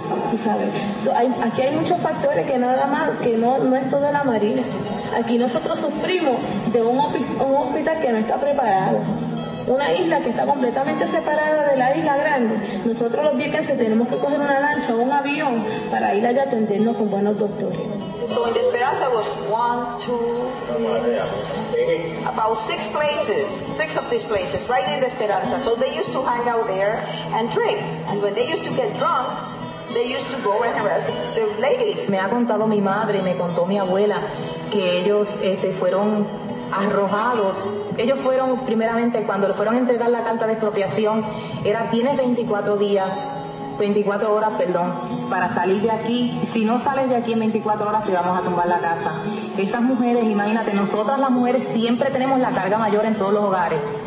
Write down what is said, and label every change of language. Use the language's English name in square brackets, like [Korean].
[Spanish] Tú sabes, aquí hay muchos factores que nada más, que no es todo la Marina. Aquí nosotros sufrimos de un hospital que no está preparado. Una isla que está completamente separada de la isla grande. Nosotros los viequenses tenemos que coger una lancha o un avión para ir allá a atendernos con buenos doctores. [English] So in Esperanza was 1, 2, about 6 places, 6 of these places, right in Esperanza. So they used to hang out there and drink. And when they used to get drunk, they used to go and harass the ladies. [Spanish] Me ha contado mi madre, me contó mi abuela, que ellos fueron arrojados. Ellos fueron, primeramente, cuando le fueron a entregar la carta de expropiación, era, tienes 24 horas, para salir de aquí. Si no sales de aquí en 24 horas, te vamos a tumbar la casa. Esas mujeres, imagínate, nosotras las mujeres siempre tenemos la carga mayor en todos los hogares.